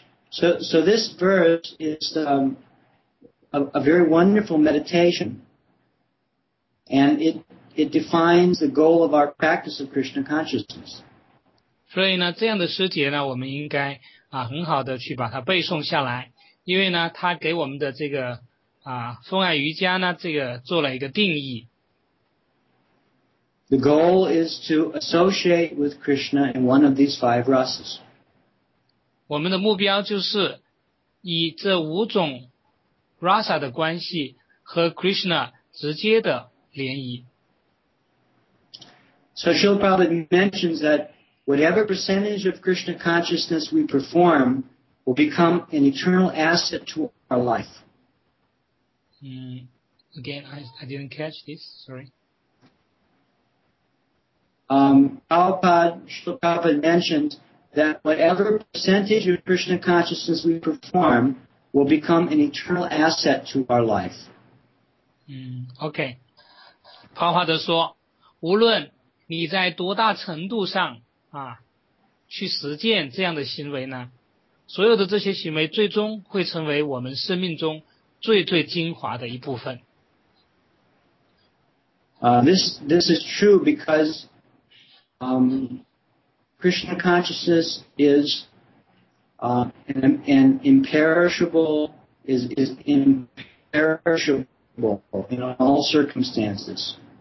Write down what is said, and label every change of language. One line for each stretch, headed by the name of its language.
English: So this verse is a very wonderful meditation, and it defines the goal of our practice of Krishna consciousness.
Chinese: 所以呢，这样的诗节呢，我们应该很好的去把它背诵下来，因为呢，它给我们的这个风爱瑜伽呢，这个做了一个定义。
English: The goal is to associate with Krishna in one of these five rasas.
Chinese: 我们的目标就是以这五种 rasa 的关系和 Krishna 直接的联谊。
English: So Srila Prabhupada mentions that whatever percentage of Krishna consciousness we perform will become an eternal asset to our life. Again, I didn't catch this, sorry. Srila Prabhupada mentioned that whatever percentage of Krishna consciousness we perform will become an eternal asset to our life. Okay.
Chinese: Prabhupada 说，无论你在多大程度上去实践这样的行为呢，所有的这些行为最终会成为我们生命中最最精华的一部分。
English: This is true because Krishna consciousness is an imperishable is imperishable in all circumstances.